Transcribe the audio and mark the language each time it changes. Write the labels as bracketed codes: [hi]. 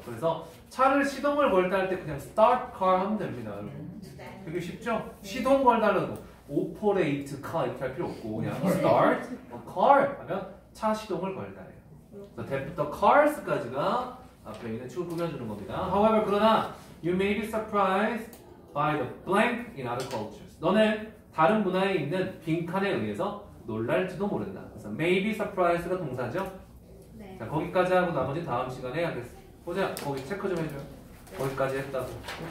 [ko] 그래서 차를 시동을 걸다 할 때 그냥 [en] start car [ko] 하면 됩니다. 되게 쉽죠? 시동 걸다라고. [en] operate car [ko] 이렇게 할 필요 없고 그냥 [en] start a car [ko] 하면 차 시동을 걸다 해요. 그래서 대부터 cars까지가 앞에 있는 축을 꾸며주는 겁니다. [en] However, [ko] 그러나 [en] you may be surprised by the blank in other cultures. [ko] 너네 다른 문화에 있는 빈칸에 의해서 놀랄지도 모른다. 그래서 [en] may be surprised [ko] 가 동사죠? 네. 자, 거기까지 하고 나머지 다음 시간에 하겠습니다. 보자, 거기 체크 좀 해줘요. 거기까지 했다고.